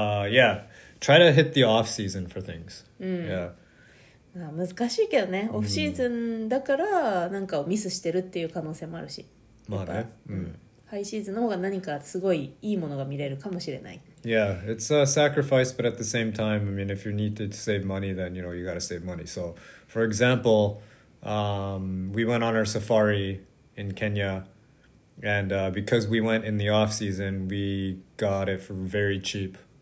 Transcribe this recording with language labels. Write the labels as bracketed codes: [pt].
[en] Yeah, try to hit the off season for things、 [ja] うん、 [en] yeah. [ja] 難しいけどね、オフシーズンだからなんかをミスしてるっていう可能性もあるし、まあね、うん、ハイシーズンの方が何かすごいいいものが見れるかもしれない。 [en] Yeah, it's a sacrifice, but at the same time, I mean, if you need to save money, then, you know, you got to save money. So, for example, we went on our safari in Kenya, and because we went in the off-season, we got it for very cheap.